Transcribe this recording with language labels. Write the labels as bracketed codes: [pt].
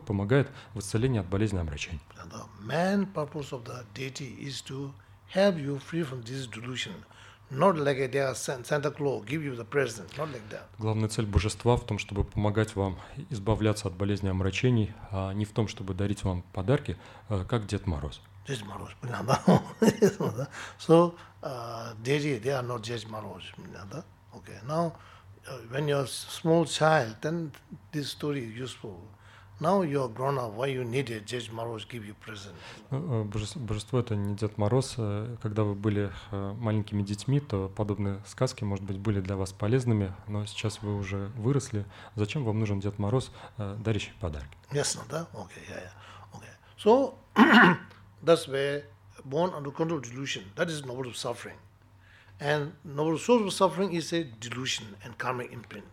[ru] помогает в исцелении от болезни омрачений. [en] The main purpose of the deity is to help you free from disease delusion. Not like they are Santa Claus, give you the present, not like that. [ru] Главная цель божества в том, чтобы помогать вам избавляться от болезни омрачений, а не в том, чтобы дарить вам подарки, как Дед Мороз. Дед Мороз, понятно, да? [en] So, deity, they are not [ru] Дед Мороз, да? [en] Okay, now, when you're a small child, then this story is useful. Now you are grown up, why you need it? Дед Мороз give you present. [ru] Божество – это не Дед Мороз. Когда вы были маленькими детьми, то подобные сказки, может быть, были для вас полезными, но сейчас вы уже выросли. Зачем вам нужен Дед Мороз, дарящий подарки? Ясно, да? [en] Okay, yeah, yeah. Okay. So, that's where born under control of delusion, that is noble of suffering. And noble source of suffering is a delusion and karmic imprint.